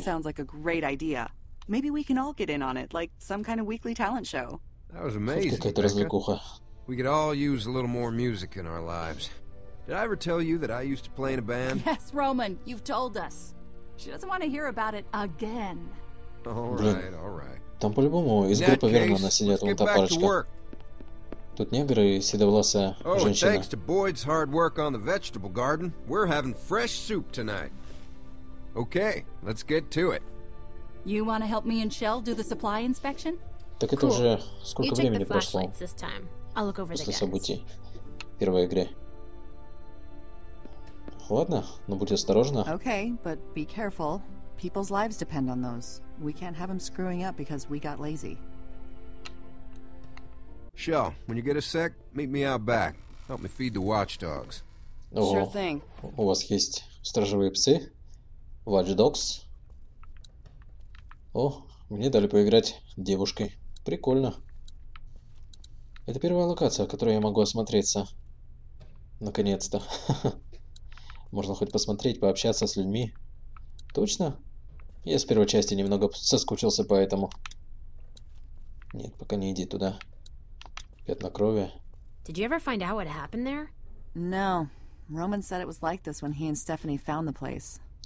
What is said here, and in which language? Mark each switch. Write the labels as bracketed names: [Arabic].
[English] That sounds like a great idea. Maybe we can all get in on it, like some kind of weekly talent show. That was amazing, Becca. [Russian] Какая-то развлекуха. [English] We could all use a little more music in our lives. Did I ever tell you that I used to play in a band? Yes, Roman, you've told us. She doesn't want to hear about it again. [Russian] Блин, [English] all right. [Russian] Там по-любому из группы Вернона сидят вон та парочка. Тут негр и седовласая женщина. [English] Oh, thanks to Boyd's hard work on the vegetable garden, we're having fresh soup tonight. Okay, let's get to it. You want to help me and Shell do the supply inspection? [Russian] Так это уже сколько времени прошло? [English] You take the flashlights this time. I'll look over the guns. [Russian] После событий в первой игре. Ладно, но будь осторожна. [English] Okay, but be careful. People's lives depend on those. We can't have them screwing up because we got lazy. Shell, when you get a sec, meet me out back. Help me feed the watchdogs. Ого. Sure thing. [Russian] У вас есть сторожевые псы? [English] Watchdogs. [Russian] О, мне дали поиграть девушкой. Прикольно. Это первая локация, в которой я могу осмотреться. Наконец-то. Можно хоть посмотреть, пообщаться с людьми. Точно? Я с первой части немного соскучился по этому. Нет, пока не иди туда. Пятна крови. [English] Did you ever find out what happened there? No. Roman said it was like this when he and Stephanie found the place.